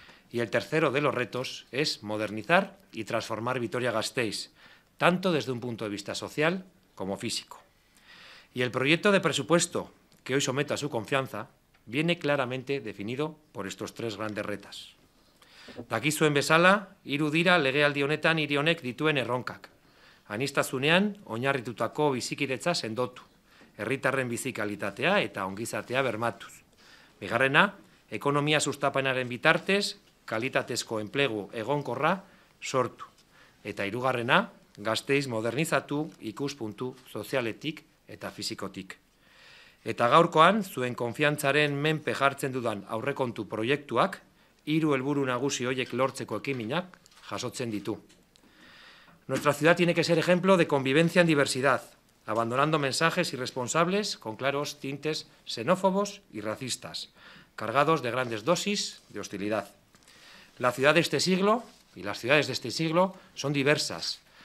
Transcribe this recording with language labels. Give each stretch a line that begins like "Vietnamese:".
Spanish: Y el tercero de los retos es modernizar y transformar Vitoria-Gasteiz, tanto desde un punto de vista social como físico. Y el proyecto de presupuesto que hoy someto a su confianza viene claramente definido por estos tres grandes retos.
Basque: Dakizuen bezala, hiru dira legealdi honetan hiri honek dituen erronkak. Aniztasunean oinarritutako bizikidetza sendotu, herritarren bizikalitatea eta ongizatea bermatuz. Bigarrena, ekonomia sustapenaren bitartez, kalitatezko enplegu egonkorra sortu. Eta hirugarrena, Gasteiz modernizatu ikuspuntu sozialetik eta fisikotik. Eta gaurkoan, zuen konfiantzaren menpe jartzen dudan aurrekontu proiektuak, hiru helburu nagusi hoiek lortzeko ekiminak jasotzen ditu.
Spanish: Nuestra ciudad tiene que ser ejemplo de convivencia en diversidad, abandonando mensajes irresponsables con claros tintes xenófobos y racistas, cargados de grandes dosis de hostilidad. La ciudad de este siglo y las ciudades de este siglo son diversas.